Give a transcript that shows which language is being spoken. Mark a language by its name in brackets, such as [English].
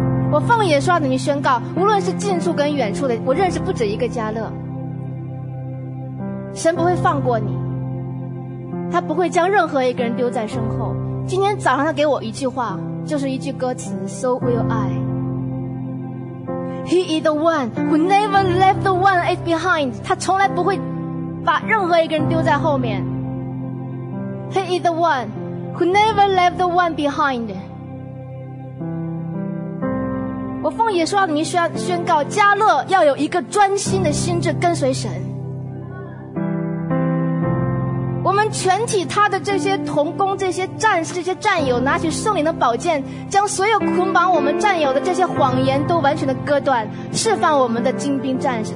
[Chinese] 我放眼刷的你宣告，无论是近处跟远处的，我认识不止一个加勒，神不会放过你，他不会将任何一个人丢在身后。今天早上他给我一句话，就是一句歌词， [English] So will I. He is the one who never left the one left behind. [Chinese] 他从来不会把任何一个人丢在后面。 [English] He is the one who never left the one behind. [Chinese] 我奉耶稣的名宣告，加勒要有一个专心的心智跟随神。我们全体他的这些同工、这些战士、这些战友，拿起圣灵的宝剑，将所有捆绑我们战友的这些谎言都完全的割断，释放我们的精兵战士。